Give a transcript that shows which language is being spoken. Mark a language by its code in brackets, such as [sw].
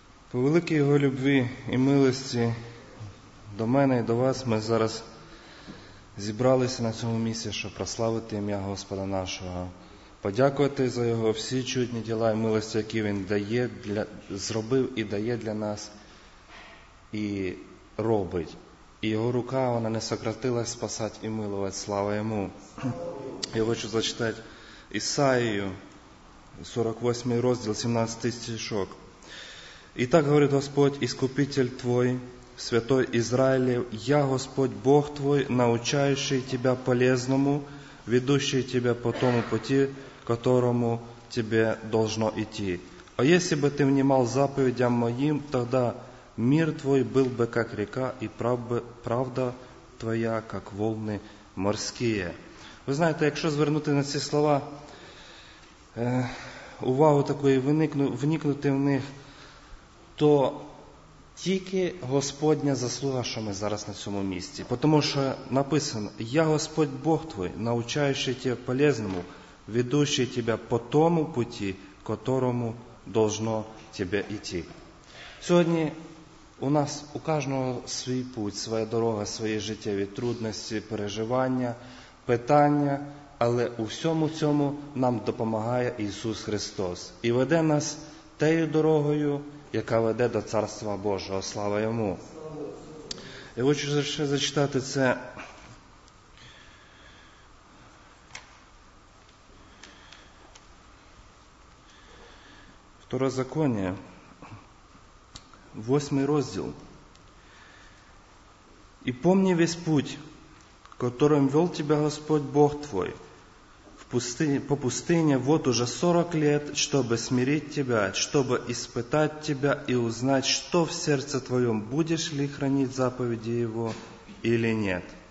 [uk] По великій Його любві і милості до мене і до вас ми зараз зібралися на цьому місці, щоб прославити ім'я Господа нашого, подякувати за Його всі чудні діла і милості, які Він дає, зробив і дає для нас, і робить. І Його рука, вона не сократилась спасати і милувати. Слава Йому! Я хочу зачитати Ісаїю, 48 розділ, 17 стишок. [ru] «І так говорить Господь, Іскупитель твой, Святой Ізраїлів, я Господь Бог твой, научающий тебя полезному, ведущий тебя по тому пути, которому тебе должно идти. А если бы ты внимал заповедям моим, тогда мир твой был бы как река, и правда твоя как волны морские». [uk] Ви знаєте, якщо звернути на ці слова увагу таку і вникнути в них, то тільки Господня заслуга, що ми зараз на цьому місці. Тому що написано, [ru] я Господь Бог твой, научающий тебе полезному, ведущий тебе по тому пути, которому должно тебе йти. [uk] Сьогодні у нас у кожного свій путь, своя дорога, свої життєві трудності, переживання, питання, але у всьому цьому нам допомагає Ісус Христос і веде нас тією дорогою, яка веде до Царства Божого. Слава Йому! Я хочу ще зачитати це Второзаконня, 8 розділ. [ru] «І помни весь путь, которым вел тебя Господь Бог твой в пустыне, по пустыне вот уже 40 лет, чтобы смирить тебя, чтобы испытать тебя и узнать, что в сердце твоем, будешь ли хранить заповеди Его или нет.